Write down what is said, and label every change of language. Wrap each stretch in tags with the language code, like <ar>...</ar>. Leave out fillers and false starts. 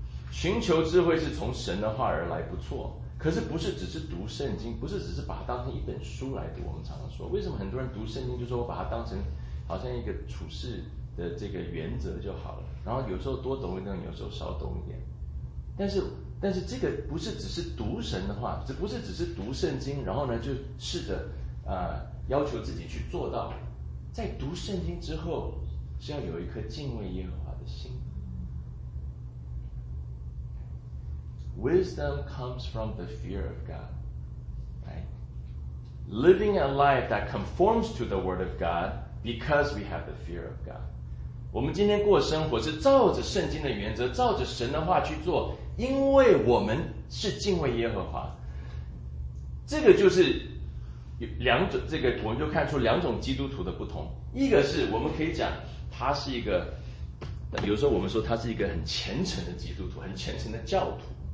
<zh>寻求智慧是从神的话而来，不错，可是不是只是读圣经，不是只是把它当成一本书来读。我们常常说，为什么很多人读圣经就说我把它当成好像一个处事的这个原则就好了，然后有时候多懂一点，有时候少懂一点，但是这个不是只是读神的话，这不是只是读圣经，然后呢就试着要求自己去做到。在读圣经之后是要有一颗敬畏耶和华的心。</zh> <en>Wisdom comes from the fear of God, right? Living a life that conforms to the word of God because we have the fear of God.</en> <zh>我们今天过生活是照着圣经的原则，照着神的话去做，因为我们是敬畏耶和华。这个就是两种，这个我们就看出两种基督徒的不同。一个是我们可以讲他是一个，有时候我们说他是一个很虔诚的基督徒，很虔诚的教徒。</zh>